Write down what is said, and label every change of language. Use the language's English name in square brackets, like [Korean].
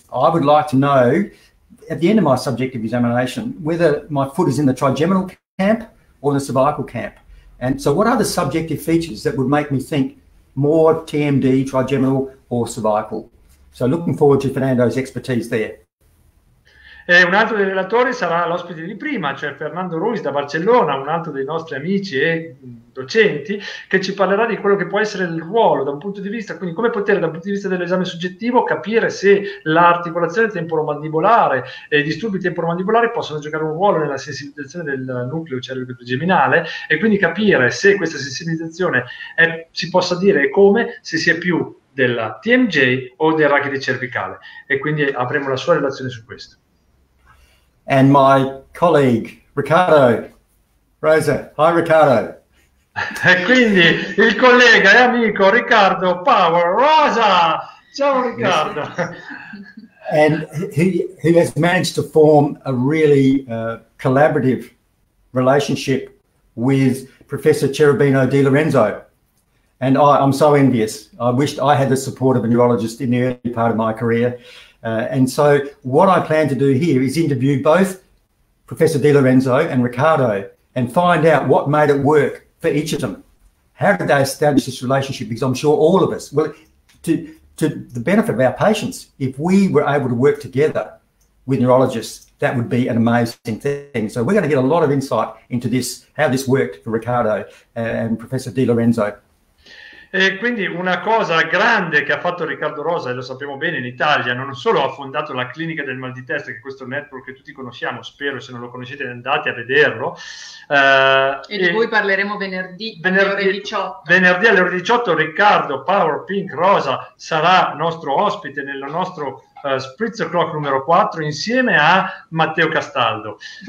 [English] I would like to know, at the end of my subjective examination, whether my foot is in the trigeminal camp or the cervical camp. And so what are the subjective features that would make me think more TMD, trigeminal or cervical? So looking forward to Fernando's expertise there. [Italian] E un altro dei relatori sarà l'ospite di prima, cioè Fernando Ruiz da Barcellona, un altro dei nostri amici e docenti, che ci parlerà di quello che può essere il ruolo da un punto di vista, quindi come poter da un punto di vista dell'esame soggettivo capire se l'articolazione temporomandibolare e i disturbi temporomandibolari possono giocare un ruolo nella sensibilizzazione del nucleo cerebrogeminale, e quindi capire se questa sensibilizzazione si possa dire come, se sia più della TMJ o del rachide cervicale, e quindi avremo la sua relazione su questo. [English] And my colleague, Riccardo Rosa. Hi, Riccardo. [Italian] E quindi il collega e amico Riccardo Power Rosa. Ciao, Riccardo. [English] And he has managed to form a really collaborative relationship with Professor Cherubino Di Lorenzo. And I'm so envious. I wished I had the support of a neurologist in the early part of my career. And so what I plan to do here is interview both Professor Di Lorenzo and Ricardo and find out what made it work for each of them. How did they establish this relationship? Because I'm sure all of us, well, to the benefit of our patients, if we were able to work together with neurologists, that would be an amazing thing. So we're going to get a lot of insight into this, how this worked for Ricardo and Professor Di Lorenzo. [Italian] E quindi una cosa grande che ha fatto Riccardo Rosa, e lo sappiamo bene, in Italia, non solo ha fondato la clinica del mal di testa, che è questo network che tutti conosciamo, spero, se non lo conoscete andate a vederlo. E di cui parleremo venerdì alle ore 18. Venerdì alle ore 18 Riccardo Power Pink Rosa sarà nostro ospite nel nostro Spritz Clock numero 4 insieme a Matteo Castaldo.